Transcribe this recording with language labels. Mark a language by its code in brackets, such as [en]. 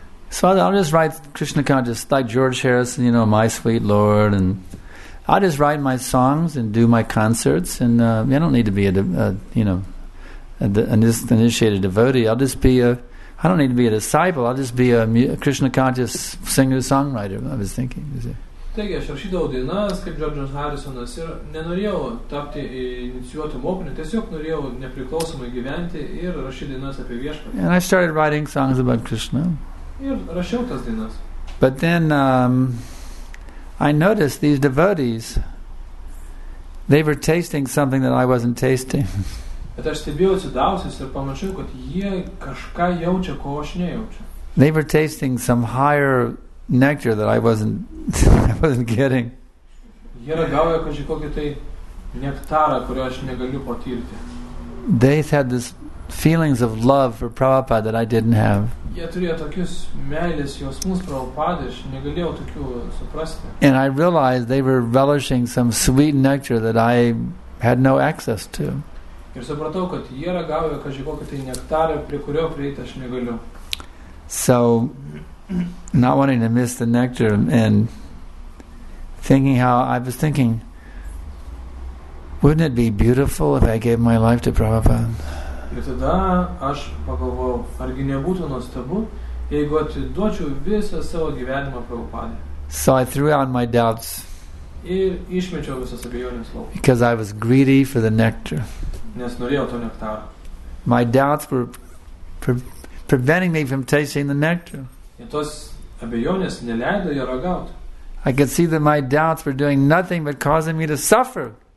[en] So I'll just write Krishna consciousness like George Harrison, you know, My Sweet Lord, and I'll just write my songs and do my concerts, and I don't need to be an initiated devotee. I'll just be I don't need to be a disciple. I'll just be a Krishna conscious singer songwriter. I was thinking. You see. [lt] Taigi, aš rašydavau dienas, kaip George'as Harrisonas, ir nenorėjau tapti inicijuotų mokinį, tiesiog norėjau nepriklausomai gyventi ir rašyti dienas apie viešpatį. [en] And I started writing songs about Krishna. [lt] Ir rašiau tas dienas. [en] But then I noticed these devotees, they were tasting something that I wasn't tasting. [lt] Bet aš stebėjausi dausius ir pamačiau, kad jie kažką jaučia, ko aš nejaučiu. [en] They were tasting some higher nectar that I wasn't getting. [lt] Jie ragavo kažkokį tai nektarą, kurio aš negaliu patirti. [en] They had this feelings of love for Prabhupada that I didn't have. [lt] Jie turėjo tokius meilės jausmus Prabhupada, aš negalėjau tokių suprasti. [en] And I realized they were relishing some sweet nectar that I had no access to. [lt] Ir supratau, kad jie ragavo kažkokį tai nektarą, prie kurio prieiti aš negaliu. [en] So, not wanting to miss the nectar and thinking how I was thinking, wouldn't it be beautiful if I gave my life to Prabhupada? [lt] Ir tada aš pagalvojau, argi nebūtų nuostabu, jeigu atiduočiau visą savo gyvenimą Prabhupadai. [en] So I threw out my doubts. [lt] Ir išmečiau visas abejonės lauk. [en] Because I was greedy for the nectar. [lt] Nes norėjau to nektaro. [en] My doubts were preventing me from tasting the nectar. [lt] Ir tos abejonės neleido jo ragauti. [en] I could see that my doubts were doing nothing but causing me to suffer.